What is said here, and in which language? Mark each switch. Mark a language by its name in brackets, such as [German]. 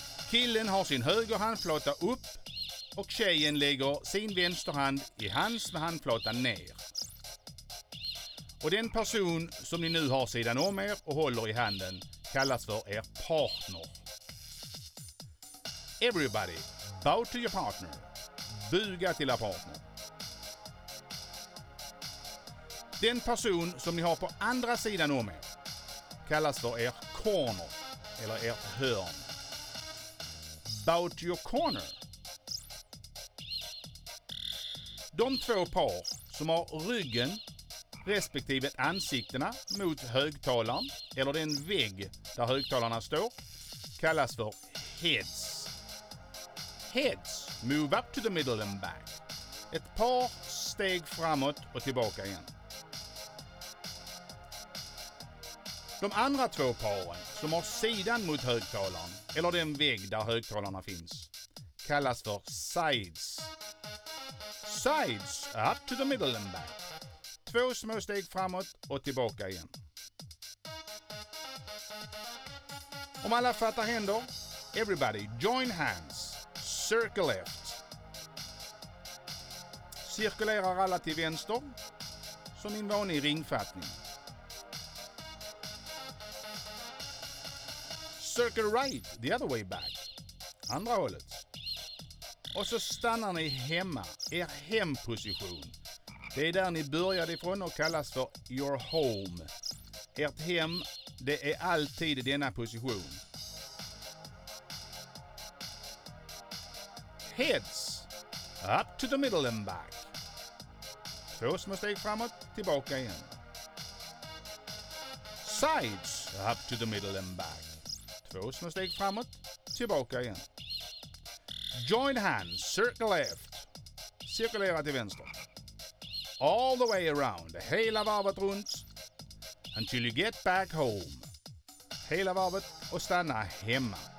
[Swedish] Killen har sin höger handflata upp och tjejen lägger sin vänster hand i hans med handflatan ner. Och den person som ni nu har sidan om er och håller i handen kallas för er partner. [English] Everybody, bow to your partner. [Swedish] Buga till er partner. Den person som ni har på andra sidan om er kallas för er corner eller er hörn. [English] Bow to your corner. [Swedish] De två par som har ryggen respektive ansiktena mot högtalaren eller den vägg där högtalarna står kallas för heads. [English] Heads, move up to the middle and back. [Swedish] Ett par steg framåt och tillbaka igen. De andra två paren som har sidan mot högtalaren eller den vägg där högtalarna finns kallas för sides. [English] Sides, up to the middle and back. [Swedish] Två små steg framåt och tillbaka igen. Om alla fattar händer, [English] everybody join hands, circle left. [Swedish] Cirkulerar alla till vänster, som en vanlig ringfattning. [English] Circle right, the other way back. [Swedish] Andra hållet. Och så stannar ni hemma, er hemposition. Det är där ni började ifrån och kallas för your home. Ert hem, det är alltid denna position. [English] Heads, up to the middle and back. [Swedish] Två små steg framåt, tillbaka igen. [English] Sides, up to the middle and back. [Swedish] Två små steg framåt, tillbaka igen. [English] Join hands, circle left. [Swedish] Cirkulera till vänster. [English] All the way around, [Swedish] hela varvet runt. [English] Until you get back home. [Swedish] Hela varvet och stanna hemma.